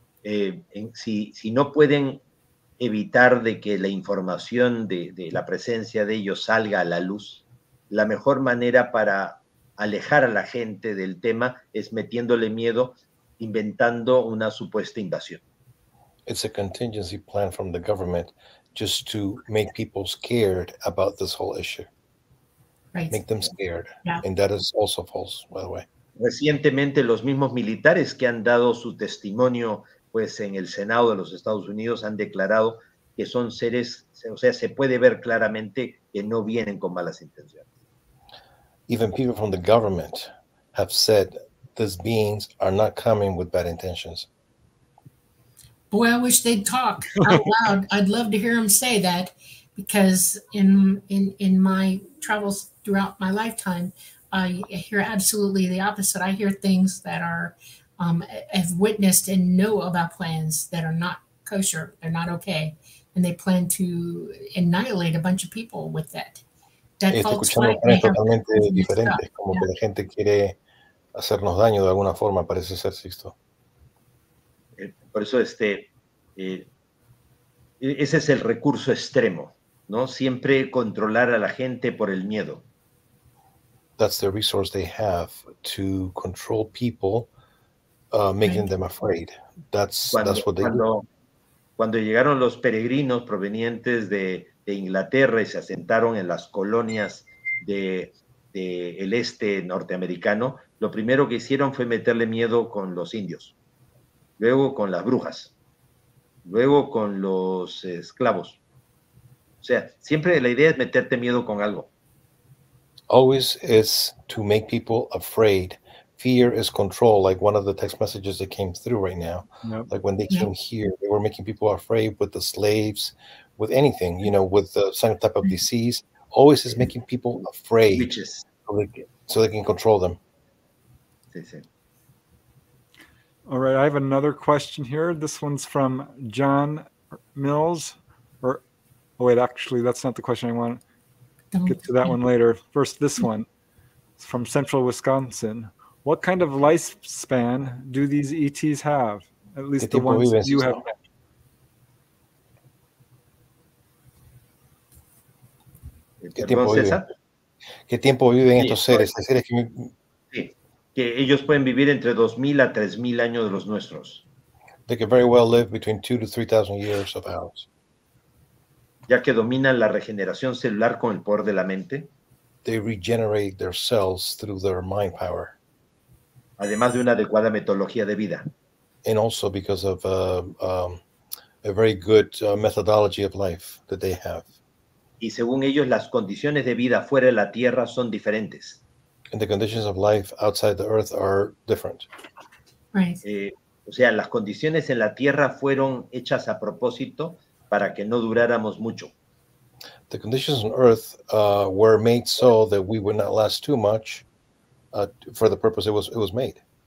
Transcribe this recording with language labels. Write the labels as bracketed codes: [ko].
[es] Si no pueden evitar de que la información de la presencia de ellos salga a la luz, la mejor manera para alejar a la gente del tema es metiéndole miedo, inventando una supuesta invasión. [en] It's a contingency plan from the government just to make people scared about this whole issue. Right. Make them scared. Yeah. And that is also false, by the way. [es] Recientemente, los mismos militares que han dado su testimonio pues, en el Senado de los Estados Unidos han declarado que son seres, o sea, se puede ver claramente que no vienen con malas intenciones. [en] Even people from the government have said these beings are not coming with bad intentions. Boy, I wish they'd talk out loud. I'd love to hear them say that because in my travels throughout my lifetime, I hear absolutely the opposite. I hear things that are, I've witnessed and know about plans that are not kosher, they're not okay. And they plan to annihilate a bunch of people with that. [es] Escuchamos planes totalmente diferentes, como que la gente quiere hacernos daño de alguna forma, parece ser, Sixto. Por eso ese es el recurso extremo, ¿no? Siempre controlar a la gente por el miedo. [en] That's the resource they have to control people, making them afraid. That's what they do. [es] Cuando llegaron los peregrinos provenientes de Inglaterra y se asentaron en las colonias del este norteamericano, lo primero que hicieron fue meterle miedo con los indios, luego con las brujas, luego con los esclavos. O sea, siempre la idea es meterte miedo con algo. [en] always is to make people afraid. Fear is control, like one of the text messages that came through right now. Yep. Like when they came here, they were making people afraid with the slaves, with anything, you know, with the same type of disease. Always is making people afraid. Witches. So they can control them. All right, I have another question here. This one's from John Mills. Actually, that's not the question I want. Get to that one later. First, this one. It's from Central Wisconsin. What kind of lifespan do these ETs have? At least the ones you have. [es] ¿Qué tiempo viven estos seres? Sí, que ellos pueden vivir entre 2,000 a 3,000 años de los nuestros. [en] They can very well live between 2,000 to 3,000 years of ours. [es] Ya que dominan la regeneración celular con el poder de la mente. [en] They regenerate their cells through their mind power. [es] Además de una adecuada metodología de vida. [en] And also because of a very good methodology of life that they have. [es] Y según ellos, las condiciones de vida fuera de la Tierra son diferentes. [en] And the conditions of life outside the Earth are different. Right. [es] O sea, las condiciones en la Tierra fueron hechas a propósito para que no duráramos mucho. [en] The conditions on Earth were made so that we would not last too much for the purpose it was made.